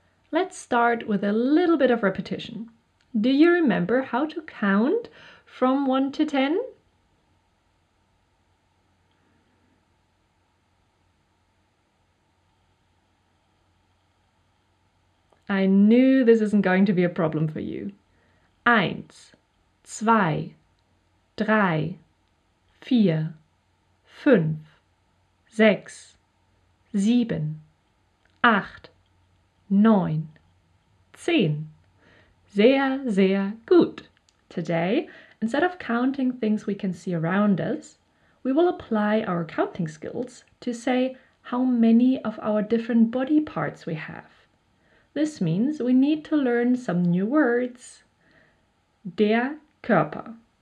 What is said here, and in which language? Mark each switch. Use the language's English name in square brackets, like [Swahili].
[English] Let's start with a little bit of repetition. Do you remember how to count from 1 to 10? I knew this isn't going to be a problem for you. [German] Eins, zwei, drei, vier, fünf, sechs, sieben, acht, neun, zehn. Sehr, sehr gut. [English] Today, instead of counting things we can see around us, we will apply our counting skills to say how many of our different body parts we have. This means we need to learn some new words. [German] Der Körper.